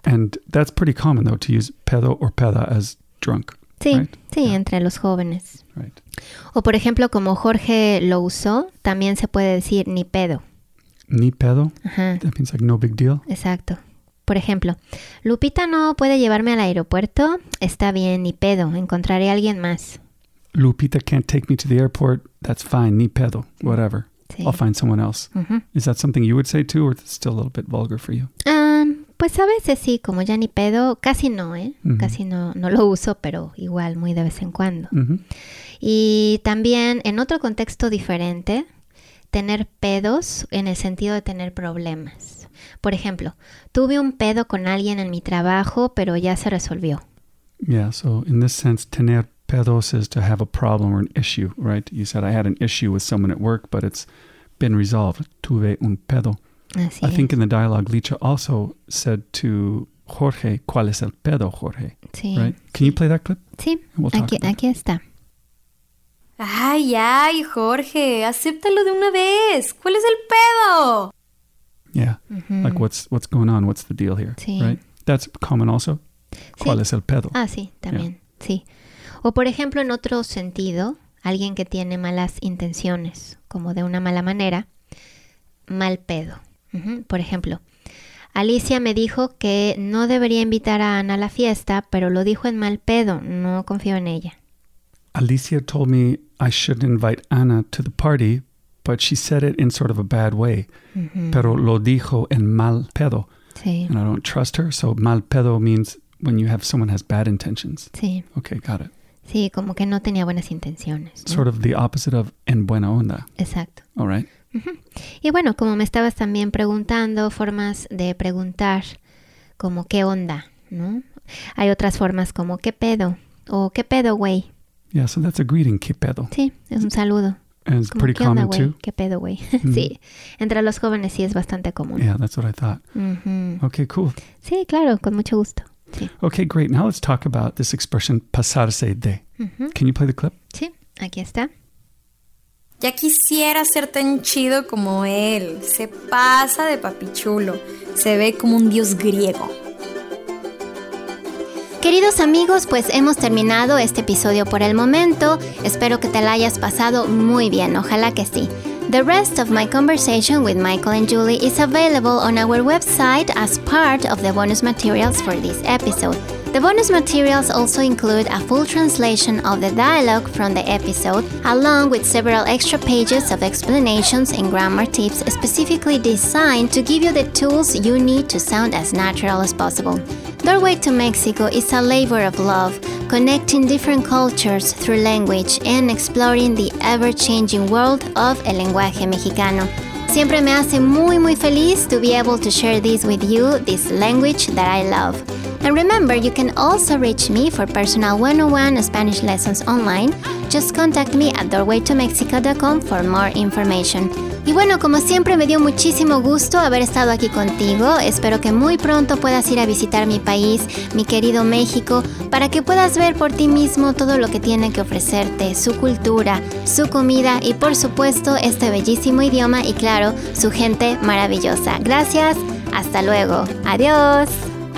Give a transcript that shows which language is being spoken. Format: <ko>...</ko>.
<en>And that's pretty common, though, to use pedo or peda as drunk.</en> <es>Sí,</es> <en>right?</en> <es>Sí, yeah. Entre los jóvenes.</es> <en>Right.</en> <es>O por ejemplo, como Jorge lo usó, también se puede decir ni pedo. ¿Ni pedo? Ajá.</es> <en>That means like no big deal.</en> <es>Exacto. Por ejemplo, Lupita no puede llevarme al aeropuerto. Está bien, ni pedo. Encontraré a alguien más.</es> <en>Lupita can't take me to the airport. That's fine, ni pedo. Whatever. Sí. I'll find someone else. Mm-hmm. Is that something you would say too, or it's still a little bit vulgar for you?</en> <es>Pues a veces sí, como ya ni pedo, casi no, ¿eh? Mm-hmm. Casi no lo uso, pero igual muy de vez en cuando. Mm-hmm. Y también en otro contexto diferente, tener pedos en el sentido de tener problemas. Por ejemplo, tuve un pedo con alguien en mi trabajo, pero ya se resolvió.</es> <en>Yeah, so in this sense, tener pedos is to have a problem or an issue, right? You said I had an issue with someone at work, but it's been resolved.</en> <es>Tuve un pedo. Así es.</es> <en>Think in the dialogue, Licha also said to Jorge,</en> <es>¿cuál es el pedo, Jorge? Sí.</es> <en>Right? Can you play that clip?</en> <es>Sí.</es> <en>We'll talk</en> <es>aquí está. Ay, ay, Jorge, acéptalo de una vez. ¿Cuál es el pedo?</es> <en>Yeah, mm-hmm. Like what's going on? What's the deal here?</en> <es>Sí.</es> <en>Right? That's common also.</en> <es>Sí. ¿Cuál es el pedo? Ah, sí, también. Yeah. Sí. O por ejemplo, en otro sentido, alguien que tiene malas intenciones, como de una mala manera, mal pedo. Uh-huh. Por ejemplo, Alicia me dijo que no debería invitar a Ana a la fiesta, pero lo dijo en mal pedo. No confío en ella.</es> <en>Alicia told me I shouldn't invite Ana to the party, but she said it in sort of a bad way. Uh-huh.</en> <es>Pero lo dijo en mal pedo. Sí.</es> <en>And I don't trust her, so mal pedo means when you have someone has bad intentions.</en> <es>Sí.</es> <en>Okay, got it.</en> <es>Sí, como que no tenía buenas intenciones. ¿No?</es> <en>Sort of the opposite of en buena onda.</en> <es>Exacto.</es> <en>All right.</en> <es>Uh-huh. Y bueno, como me estabas también preguntando, formas de preguntar como qué onda, ¿no? Hay otras formas como qué pedo o qué pedo, güey.</es> <en>Yeah, so that's a greeting, qué pedo.</en> <es>Sí, es un saludo.</es> <en>And it's pretty common too.</en> <es>Qué pedo, güey. Mm-hmm. Sí, entre los jóvenes sí es bastante común.</es> <en>Yeah, that's what I thought. Uh-huh. Okay, cool.</en> <es>Sí, claro, con mucho gusto. Sí.</es> <en>Okay, great. Now let's talk about this expression, pasarse de. Uh-huh. Can you play the clip?</en> <es>Sí, aquí está. Ya quisiera ser tan chido como él. Se pasa de papichulo. Se ve como un dios griego. Queridos amigos, pues hemos terminado este episodio por el momento. Espero que te la hayas pasado muy bien. Ojalá que sí.</es> <en>The rest of my conversation with Michael and Julie is available on our website as part of the bonus materials for this episode. The bonus materials also include a full translation of the dialogue from the episode, along with several extra pages of explanations and grammar tips specifically designed to give you the tools you need to sound as natural as possible. Doorway to Mexico is a labor of love, connecting different cultures through language and exploring the ever-changing world of el lenguaje mexicano.</en> <es>Siempre me hace muy, muy feliz</es> <en>to be able to share this with you, this language that I love. And remember, you can also reach me for personal 101 Spanish lessons online. Just contact me at doorwaytomexico.com for more information.</en> <es>Y bueno, como siempre, me dio muchísimo gusto haber estado aquí contigo. Espero que muy pronto puedas ir a visitar mi país, mi querido México, para que puedas ver por ti mismo todo lo que tiene que ofrecerte, su cultura, su comida y, por supuesto, este bellísimo idioma y, claro, su gente maravillosa. Gracias, hasta luego. Adiós.</es>